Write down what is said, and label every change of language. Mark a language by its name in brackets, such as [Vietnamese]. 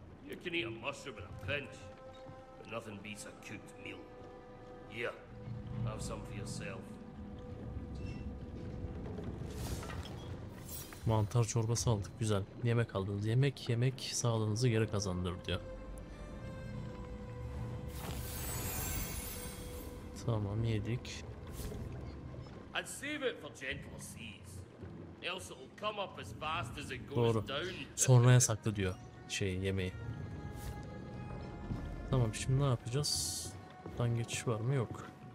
[English] You can eat a mushroom in a pinch, but nothing beats a cooked meal. Here, have some for yourself. [Turkish] Mantar çorbası aldık, güzel. Yemek aldınız. Yemek yemek sağlığınızı geri kazandırır diyor. Tamam, yedik. [English] And save it for gentler seas. Else it'll come up as fast as it goes down. [Turkish] Doğru. Sonraya saklı diyor şey yemeği. Tamam, şimdi ne yapacağız? Buradan geçiş var mı? Yok.